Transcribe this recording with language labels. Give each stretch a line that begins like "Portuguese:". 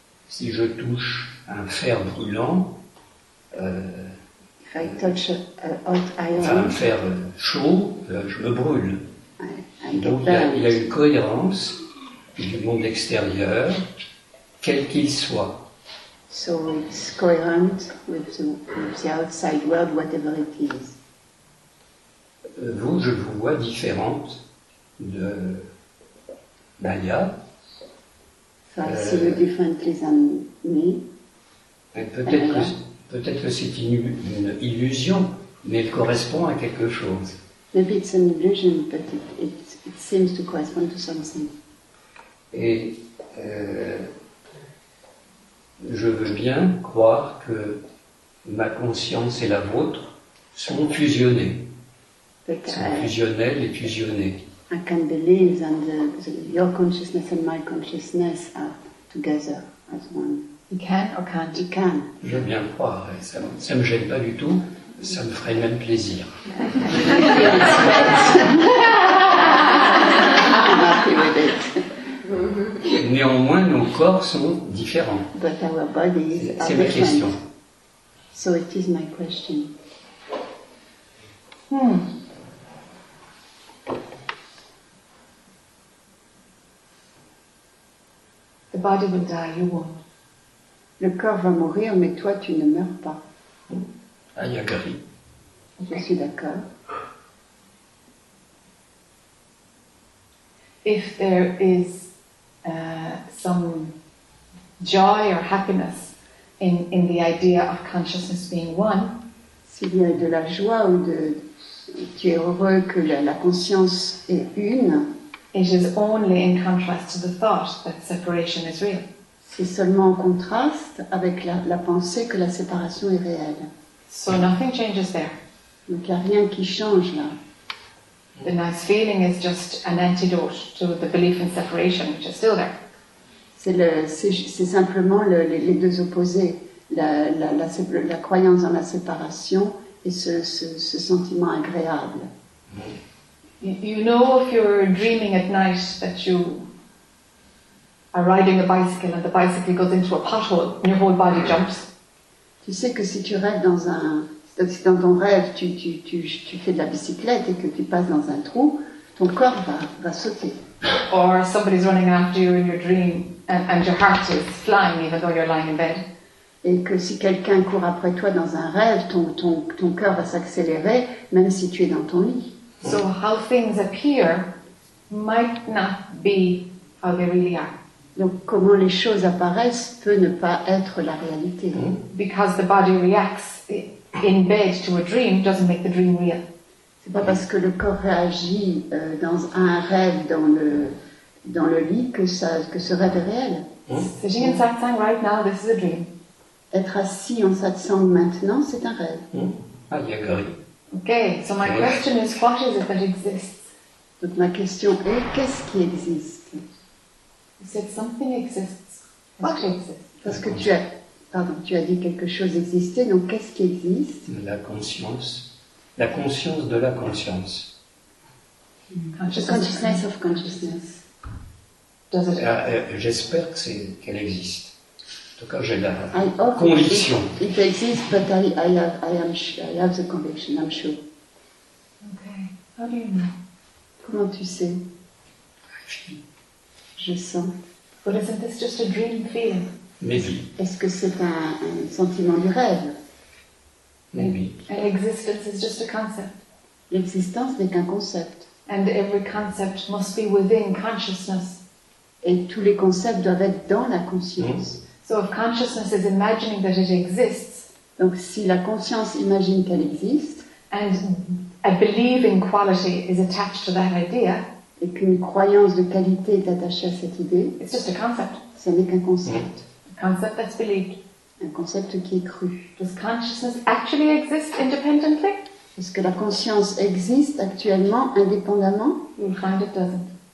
French: Si je touche un fer brûlant,
English: if I touch a hot iron,
French: enfin, un fer chaud, je me brûle. Donc il y a une cohérence du monde extérieur, quel qu'il soit.
English: So it's coherent with the outside world, whatever it is.
French: Vous, je vous vois différente de Maya.
English: So I see you differently than me.
French: Peut-être que c'est une illusion, mais elle correspond à quelque chose.
English: Maybe it's an illusion, but it seems to correspond to something.
French: Et je veux bien croire que ma conscience et la vôtre sont fusionnées. Fusionnel et fusionné.
English: I can believe that your consciousness and my consciousness are together as one. You can or can't? You can.
French: Je veux bien croire, ça ne me gêne pas du tout, ça me ferait même plaisir.
English: I'm happy with it.
French: Néanmoins, nos corps sont différents.
English: But our bodies are different.
French: C'est ma question.
English: So it is my question. The body will die, you won't.
French: Le corps va mourir, mais toi, tu ne meurs pas.
English: I agree.
French: Je suis d'accord.
English: If there is some joy or happiness in the idea of consciousness being one,
French: s'il y a de la joie ou de tu es heureux que la conscience est une.
English: It is only in contrast to the thought that separation is real.
French: C'est seulement en contraste avec la pensée que la séparation est réelle.
English: So nothing changes there.
French: Donc il n'y a rien qui change là.
English: The nice feeling is just an antidote to the belief in separation, which is still there.
French: C'est simplement les deux opposés, la croyance dans la séparation et ce sentiment agréable.
English: You know, if you're dreaming at night that you are riding a bicycle and the bicycle goes into a pothole and your whole body jumps.
French: Tu sais que si tu rêves dans un si dans ton rêve tu fais de la bicyclette et que tu passes dans un trou, ton corps va sauter.
English: Or somebody's running after you in your dream and your heart is flying even though you're lying in bed.
French: Et que si quelqu'un court après toi dans un rêve, ton cœur va s'accélérer même si tu es dans ton lit.
English: So how things appear might not be how they really are.
French: Donc comment les choses apparaissent peut ne pas être la réalité.
English: Because the body reacts in bed to a dream doesn't make the dream real.
French: C'est pas parce que le corps réagit dans un rêve dans le lit que ce rêve est réel.
English: Sitting in satsang right now, this is a dream.
French: Être assis en satsang maintenant, c'est un rêve. Ah, il y a Gary.
English: Okay, so my question is, what is it that exists?
French: Donc ma question est, qu'est-ce qui existe?
English: You said something exists. What exists?
French: Parce que tu as dit quelque chose existait, donc qu'est-ce qui existe? La conscience. La conscience de la conscience.
English: Consciousness of consciousness. Does it exist?
French: J'espère que qu'elle existe. En tout cas, j'ai la conviction.
English: It exists, but I have the conviction, I'm sure. Okay. How do you know?
French: Comment tu sais? Je sens.
English: But isn't this just a dream feeling? Maybe.
French: Est-ce que c'est un sentiment du rêve?
English: Maybe. An existence is just a concept.
French: L'existence n'est qu'un concept.
English: And every concept must be within consciousness.
French: Et tous les concepts doivent être dans la conscience.
English: So if consciousness is imagining that it exists,
French: donc si la conscience imagine qu'elle existe,
English: and a believing quality is attached to that idea,
French: et qu'une croyance de qualité est attachée à cette idée,
English: it's just a concept.
French: Ce n'est qu'un concept.
English: A concept that's believed.
French: Un concept qui est cru.
English: Does consciousness actually exist independently?
French: Est-ce que la conscience existe actuellement indépendamment?
English: You'll find it doesn't.